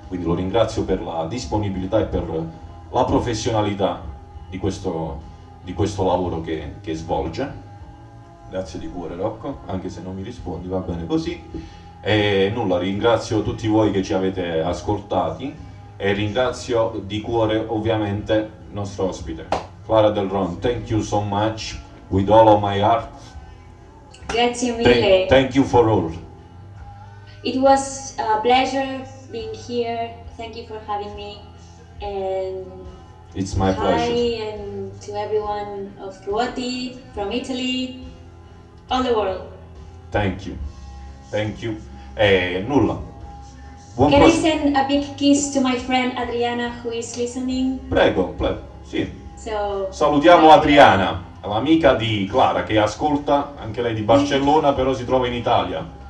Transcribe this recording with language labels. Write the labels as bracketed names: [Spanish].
[Italian] Quindi lo ringrazio per la disponibilità e per la professionalità di questo lavoro che svolge. Grazie di cuore, Rocco, anche se non mi rispondi, va bene così. E nulla, ringrazio tutti voi che ci avete ascoltati e ringrazio di cuore ovviamente il nostro ospite Clara Del Ron. [English] Thank you so much with all of my heart. [Italian] Grazie mille. [English] Thank you for all. It was a pleasure being here. Thank you for having me. And it's my pleasure. Hi, and to everyone of Ruoti, from Italy, all the world. Thank you. Thank you. [Italian] Nulla. [English] One Can question. I send a big kiss to my friend Adriana, who is listening? [Italian] Prego, prego. Sì. [English] So, [Italian] salutiamo Adriana, l'amica di Clara, che ascolta, anche lei di Barcellona, però si trova in Italia.